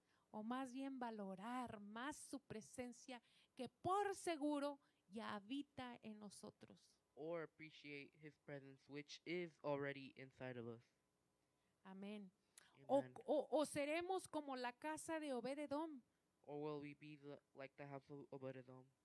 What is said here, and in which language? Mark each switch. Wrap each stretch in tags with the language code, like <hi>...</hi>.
<es>O más bien valorar más su presencia que por seguro ya habita en nosotros.</es> <en>Or appreciate His presence which is already inside of us.</en> <es>Amén. O seremos como la casa de Obed-Edom.</es> <en>Or will we be like the house of Obed-Edom?</en>